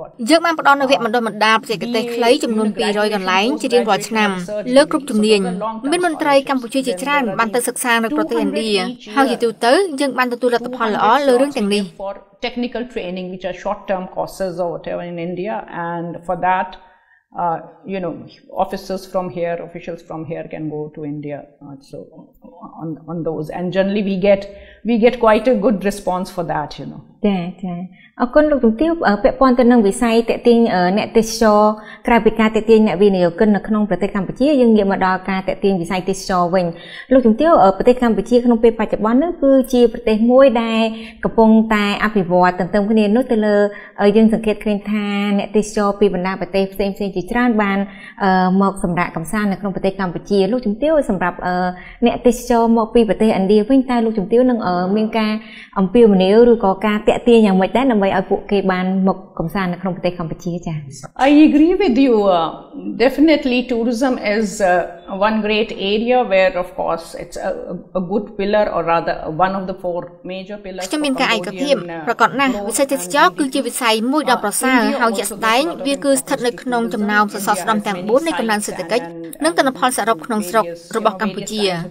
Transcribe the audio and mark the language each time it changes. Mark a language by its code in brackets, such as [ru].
[km] យើង បាន ផ្ដល់ នៅ វគ្គ បណ្ដុះ បណ្ដាល បច្ចេកទេស ខ្លី ចំនួន 200 កន្លែង ជា រៀង រាល់ ឆ្នាំ លើ គ្រប់ ជំនាញ មាន មន្ត្រី កម្ពុជា ជា ច្រើន បាន ទៅ សិក្សា នៅ ប្រទេស ឥណ្ឌា ហើយ ជា ទូ ទៅ យើង បាន ទទួល លទ្ធផល ល្អ លើ រឿង ទាំង នេះ [en] technical training which are short term courses or whatever in India and for that you know officers from here officials from here can go to India so on those and generally we get quite a good response for that you know [km] អរគុណលោកទុំទាវពាក់ព័ន្ធទៅនឹងវិស័យតេតៀងអ្នកទេសចរក្រៅពីការតេតៀងអ្នកវិនិយោគិននៅក្នុងប្រទេសកម្ពុជាយើងងាកមកដល់ការតេតៀងវិស័យទេសចរវិញលោកទុំទាវប្រទេសកម្ពុជាក្នុងពេលបច្ចុប្បន្ននេះគឺជាប្រទេសមួយដែលកំពុងតែអភិវឌ្ឍទន្ទឹមគ្នានោះទៅលើយើងសង្កេតឃើញថាអ្នកទេសចរពីបណ្ដាប្រទេសផ្សេងៗជាច្រើនបាន មកសម្រាកកំសាន្តនៅក្នុងប្រទេសកម្ពុជាលោកទុំទាវសម្រាប់អ្នកទេសចរមកពីប្រទេសឥណ្ឌាវិញតើលោកទុំទាវនឹងមានការអំពាវនាវឬក៏ការតេតៀងយ៉ាងម៉េចដែរដើម្បីឲ្យពួកគេបានមកកំសាន្តនៅក្នុងប្រទេសកម្ពុជាចា [en] I agree with you definitely tourism is one great area where of course it's a good pillar or rather one of the four major pillars [km] ខ្ញុំមានការឯកភាពប្រកបណាស់វិស័យទេសចរគឺជាវិស័យមួយដ៏ប្រសើរហើយជាក់ស្ដែងវាគឺស្ថិតនៅក្នុងចំណោមសសរស្តម្ភទាំង4នៃកំណើនសេដ្ឋកិច្ចនិងទិន្នផលសរុបក្នុងស្រុករបស់កម្ពុជា